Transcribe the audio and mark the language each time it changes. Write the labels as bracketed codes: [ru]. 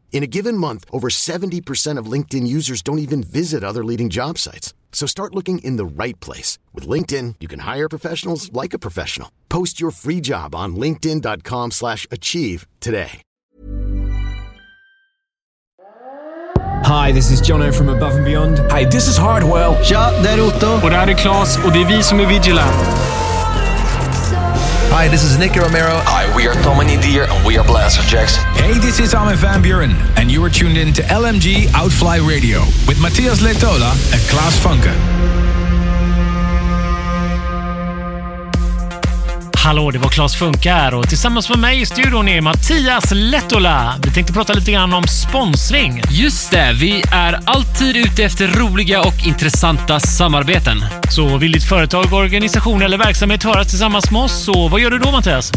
[en] In a given month, over 70% of LinkedIn users don't even visit other leading job sites. So start looking in the right place. With LinkedIn, you can hire professionals like a professional. Post your free job on linkedin.com/achieve today. Hi, this is Jono from Above and Beyond. Hi, this is Hardwell. [sv] Ja, det är Otto. Och det här är Klas, och det är vi som är Vigilant. [en] Hi, this is Nicky Romero. Hi, we are Tommy Dear and we are Blaster Jacks. Hey, this is Armin van Buuren, and you are tuned in to LMG Outfly Radio with Mattias Lehtola and Klas Funke. [sv] Hallå, det var Klas Funke här, och tillsammans med mig i studion är Mattias Lehtola. Vi tänkte prata lite grann om sponsring. Just det, vi är alltid ute efter roliga och intressanta samarbeten. Så vill ditt företag, organisation eller verksamhet höra tillsammans med oss, så vad gör du då, Mattias?